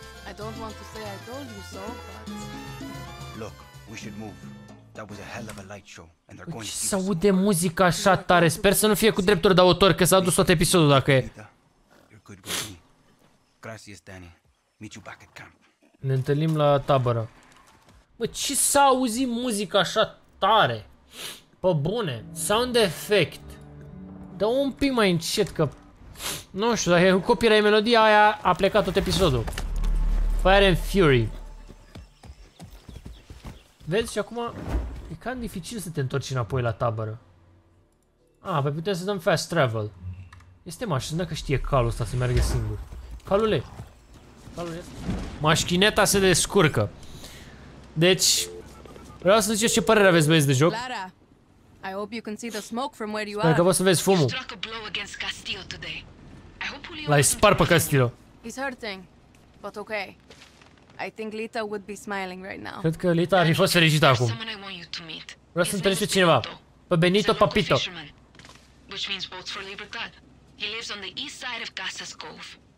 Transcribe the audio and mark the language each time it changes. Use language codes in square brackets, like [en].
[en] I don't want to say I told you so, but look, we should move. That was a hell of a light show and they're going to see. [ro] Se aude muzica așa tare. Sper să nu fie cu drepturi de autor, că s-a dus tot episodul dacă e. [en] Gracias, Danny. Meet you back at camp. [ro] Ne întâlnim la tabără. Bă, ce s-a auzit muzica așa tare? Pă bune, sound effect. Dă un pic mai încet că... Nu știu, dacă e copyright melodia aia, a plecat tot episodul. Fire and Fury. Vezi, și acum e cam dificil să te întorci înapoi la tabără. Ah, păi putem să dăm fast travel. Este mașină că știe calul ăsta să meargă singur. Calule. Calule. Mașchineta se descurcă. Deci, vreau să ziceți ce părere aveți, băieți, de joc. [en] Lara, I hope you can see the smoke from where you are. [ro] Sper că poți să vezi fumul. L-ai spart pe Castillo. [en] He's hurting, but okay. I think Lita would be smiling right now. [ro] Cred că Lita ar fi fost fericită acum. Vreau să întâlnesc pe cineva. Pe Benito Papito. [en] Which means boats for Libertad. He lives on the east side of Casas Cove.